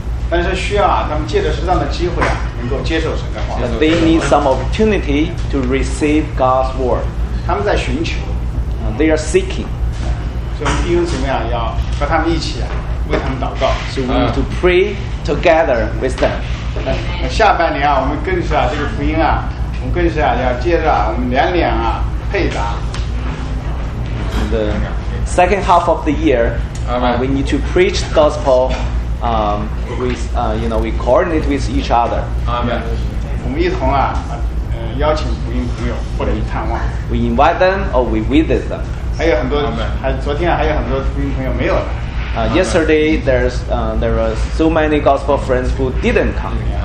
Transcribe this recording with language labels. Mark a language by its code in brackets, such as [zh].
[zh] 但是需要他们借着适当的机会能够接受神的话。 [en] They need some opportunity to receive God's word. [zh] 他们在寻求 [en] They are seeking [zh] 所以弟兄姊妹要和他们一起为他们祷告 [en] So we need to pray together with them [zh] 下半年我们更是这个福音我们更是要接着我们两两配搭 [en] In the second half of the year we need to preach the gospel we coordinate with each other [zh] 我们一同啊邀请福音朋友或者去探望。 [en] We invite them or we visit them. [zh] 还有很多，昨天还有很多福音朋友没有。 [en] Yesterday there are so many gospel friends who didn't come.